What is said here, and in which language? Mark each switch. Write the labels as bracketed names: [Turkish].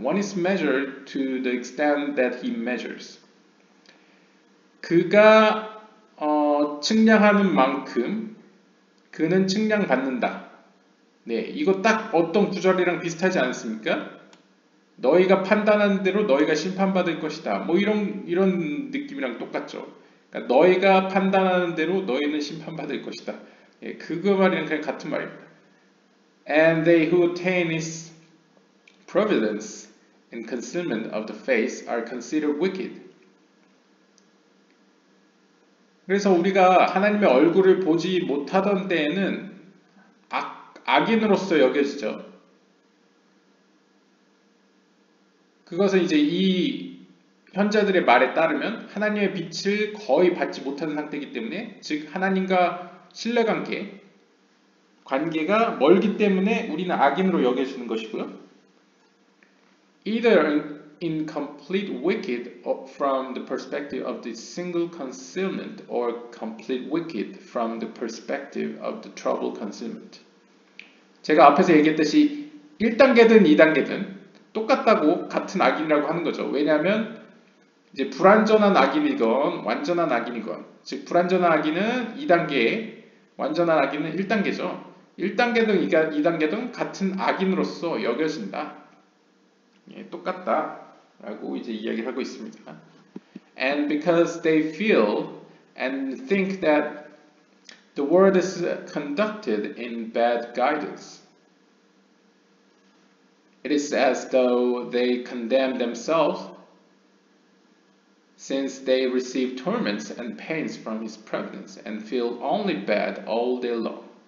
[English] One is measured to the extent that he measures. [Korean] 그가 측량하는 만큼 그는 측량받는다. 네, 이거 딱 어떤 구절이랑 비슷하지 않습니까? 너희가 판단한 대로 너희가 심판받을 것이다. 뭐 이런 느낌이랑 똑같죠. 그러니까 너희가 판단하는 대로 너희는 심판받을 것이다. 예, 그거 말이랑 그냥 같은 말입니다. [English] And they who attain his providence and concealment of the face are considered wicked. [Korean] 그래서 우리가 하나님의 얼굴을 보지 못하던 때에는 악인으로서 여겨지죠. 그것은 이제 이 현자들의 말에 따르면 하나님의 빛을 거의 받지 못하는 상태이기 때문에 즉 하나님과 신뢰관계, 관계가 멀기 때문에 우리는 악인으로 여겨지는 것이고요. [English] Either in complete wicked from the perspective of the single concealment or complete wicked from the perspective of the trouble concealment. [Korean] 제가 앞에서 얘기했듯이 1단계든 2단계든 똑같다고 같은 악인이라고 하는 거죠. 왜냐하면 이제 불완전한 악인이건 완전한 악인이건 즉 불완전한 악인은 2단계, 완전한 악인은 1단계죠. 1단계든 2단계든 같은 악인으로서 여겨진다. 예, 똑같다. 라고 이제 이야기를 하고 있습니다. [English] And because they feel and think that the world is conducted in bad guidance. It is as though they condemn themselves since they receive torments and pains from his presence and feel only bad all day long.